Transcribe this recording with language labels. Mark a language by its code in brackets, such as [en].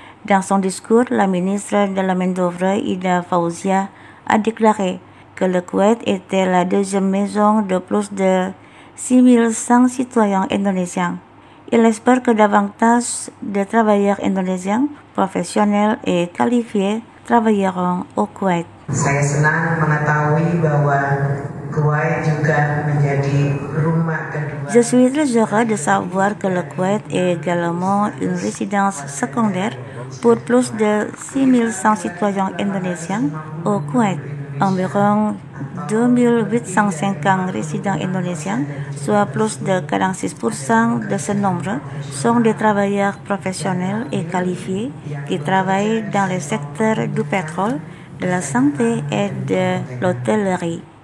[fr] Dans son discours, la ministre de la Main d'œuvre, Ida Fauzia, a déclaré que le Kuwait était la deuxième maison de plus de 6100 citoyens indonésiens. Il espère que davantage de travailleurs indonésiens, professionnels et qualifiés, travailleront au Kuwait. [id] Saya senang mengetahui bahwa Kuwait juga menjadi rumah kedua. [fr] Je suis très heureux de savoir que le Kuwait est également une résidence secondaire pour plus de 6100 citoyens indonésiens au Kuwait. Environ 2850 résidents indonésiens, soit plus de 46% de ce nombre, sont des travailleurs professionnels et qualifiés qui travaillent dans les secteurs du pétrole, de la santé et de l'hôtellerie.